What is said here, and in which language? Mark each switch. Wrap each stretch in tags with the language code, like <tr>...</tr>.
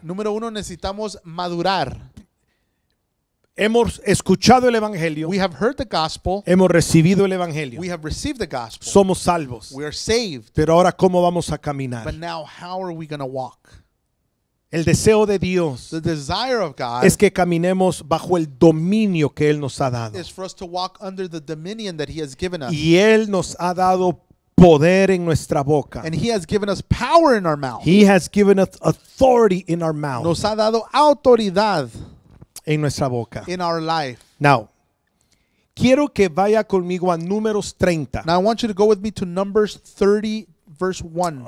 <es>Número uno, necesitamos madurar. Hemos escuchado el evangelio.</es> <en>We have heard the gospel.</en> <es>Hemos recibido el evangelio.</es> <en>We have received the gospel.</en> <es>Somos salvos.</es> <en>We are saved.</en> <es>Pero ahora, ¿cómo vamos a caminar?</es> <en>But now, how are we going to walk?</en> <es>El deseo de Dios,</es> <en>the desire of God,</en> <es>es que caminemos bajo el dominio que Él nos ha dado.</es> <en>Is for us to walk under the dominion that He has given us.</en> <es>Y Él nos ha dado poder en nuestra boca.</es> <en>And He has given us power in our mouth. He has given us authority in our mouth.</en> <es>Nos ha dado autoridad en nuestra boca.</es> <en>In our life.</en> <es>Now, quiero que vaya conmigo a Números 30.</es> <en>Now I want you to go with me to Numbers 30, verse 1.</en>